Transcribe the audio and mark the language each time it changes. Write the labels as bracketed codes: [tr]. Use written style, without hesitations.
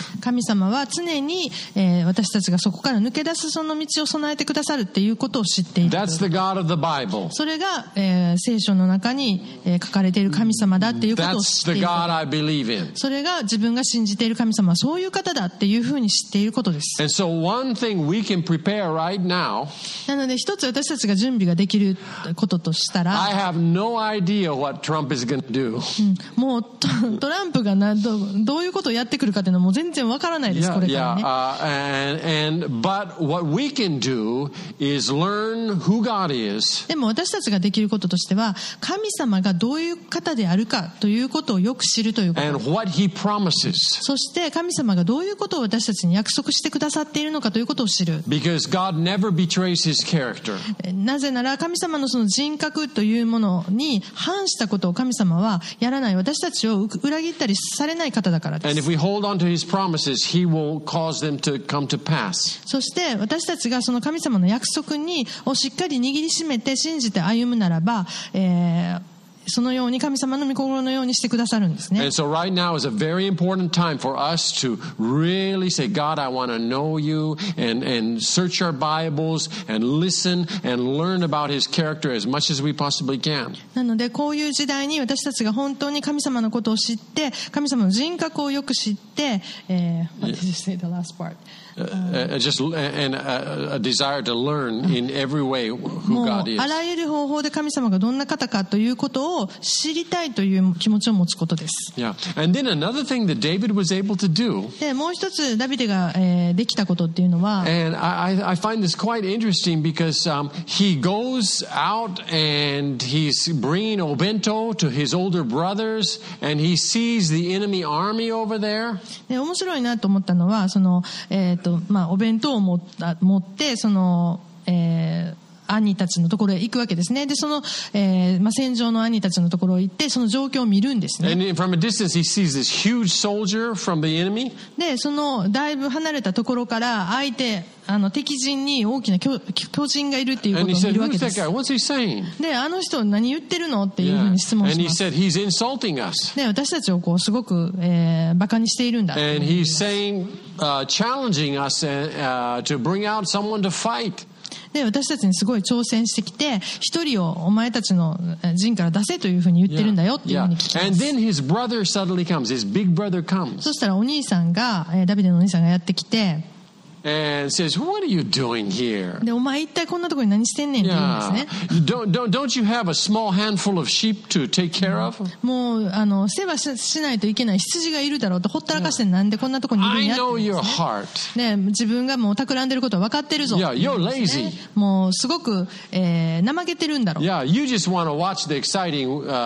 [ja] 神様は常に私たちがそこから抜け出すその道を備えてくださるっていうことを知っている。 [en] That's the God of the Bible. [ja] それが聖書の中に書かれている神様だっていうことを知っている。それが自分が信じている神様はそういう方だっていうふうに知っていることです。 [en] And so one thing we can prepare right now, [ja] なので一つ私たちが準備ができることとしたら、 [en] I have no idea what Trump is going to do. [ja] もうトランプがどういうことをやってくるかっていうのはもう全然わからないです、 [en] yeah, [ja] これからね。 [en] Yeah, but what we can do is learn who God is. [ja] でも私たちができることとしては神様がどういう方であるかということをよく知るということ。 [en] And what he promises. [ja] そして神様がどういうことを私たちに約束してくださっているのかということを知る。 [en] Because God never betrays his character. [ja] なぜなら神様のその人格というものに反したことを神様はやらない。私たちを裏切ったりされない方だからです。 [en] And if we hold on to his promises, he will cause them to come to pass. [ja] そして私たちがその神様の約束をしっかり握りしめて信じて歩むならば、そのように神様の御心のようにしてくださるんですね。 [en] And so right now is a very important time for us to really say, God, I want to know you and search our Bibles and listen and learn about his character as much as we possibly can. [ja] なのでこういう時代に私たちが本当に神様のことを知って神様の人格をよく知って、 [en] What did you say the last part? A desire to learn in every way who God is. [ja] あらゆる方法で神様がどんな方かということを知りたいという気持ちを持つことです。 [en] Yeah. And then another thing that David was able to do. [ja] で、もう一つダビデが、できたことっていうのは。 [en] And I find this quite interesting because, he goes out and he's bringing obento to his older brothers and he sees the enemy army over there. [ja] で、面白いなと思ったのは、その、お弁当を持ってその、兄たちのところへ行くわけですね。で、その、戦場の兄たちのところへ行ってその状況を見るんですね。 [en] And from a distance, he sees this huge soldier from the enemy. [ja] で、そのだいぶ離れたところから相手敵人に大きな巨人がいるっていうことを見るわけです。 [en] What's he saying? [ja] で、あの人何言ってるのっていうふうに質問します。 [en] And he said, he's insulting us. [ja] で、私たちをこうすごく、バカにしているんだ。 [en] And he's saying, challenging us and, to bring out someone to fight. [ja] で、私たちにすごい挑戦してきて、一人をお前たちの陣から出せというふうに言ってるんだよっていうふうに聞きます。 [en] Yeah. And then his brother suddenly comes, his big brother comes. [ja] そしたらお兄さんが、ダビデのお兄さんがやってきて、 [en] And says, "What are you doing here?" [ja] で、お前一体こんなところに何してんねんって言うんですね。 [en] Yeah. Don't you have a small handful of sheep to take care of? [ja] もう世話しないといけない羊がいるだろうとほったらかしてなんでこんなところにいるんやって、ね。 [en] I know your heart. [ja] ね、自分がもう企んでることは分かってるぞ。 [en] Yeah, you're lazy. [ja] もうすごく、怠けてるんだろう。 [en] Yeah, you just want to watch the exciting war.